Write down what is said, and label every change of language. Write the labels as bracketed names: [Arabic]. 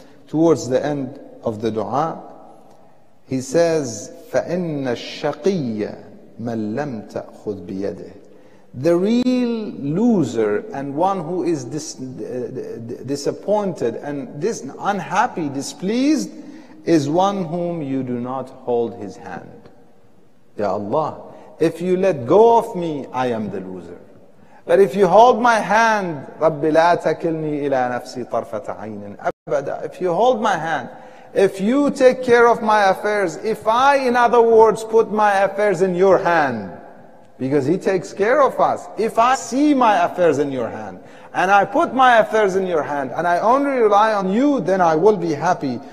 [English] Towards the end of the dua, he says, [Arabic] فَإِنَّ الشَّقِيَّ مَنْ لَمْ تَأْخُذْ بِيَدِهِ. [English] The real loser and one who is disappointed and unhappy, displeased, is one whom you do not hold his hand. Ya Allah, if you let go of me, I am the loser. But if you hold my hand, [Arabic] رَبِّ لَا تَكِلْنِي إِلَىٰ نَفْسِي طَرْفَةَ عَيْنٍ أَبَدًا. [English] If you hold my hand, if you take care of my affairs, if I, in other words, put my affairs in your hand, because He takes care of us, if I see my affairs in your hand, and I put my affairs in your hand, and I only rely on you, then I will be happy.